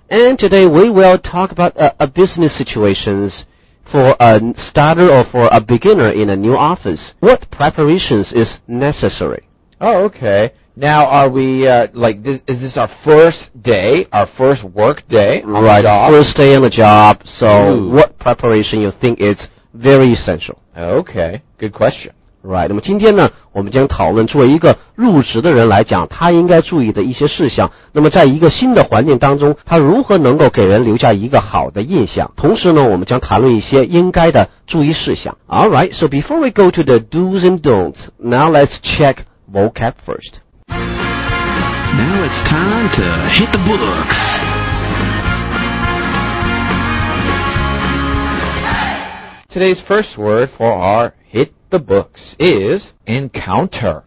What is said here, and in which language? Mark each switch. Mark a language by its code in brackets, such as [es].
[en] And today we will talk about a business situations for a starter or for a beginner in a new office. What preparations is necessary? Oh, okay. Now, are we, is this our first day, our first work day on right, the job? Right, first day on the job, so what preparation you think is very essential? Okay, good question. [zh] Right, 那么今天呢，我们将讨论作为一个入职的人来讲，他应该注意的一些事项。那么在一个新的环境当中，他如何能够给人留下一个好的印象？同时呢，我们将谈论一些应该的注意事项。 [en] All right, so before we go to the do's and don'ts, now let's check vocab first. Now it's time to hit the books. Today's first word for our hit the books is encounter.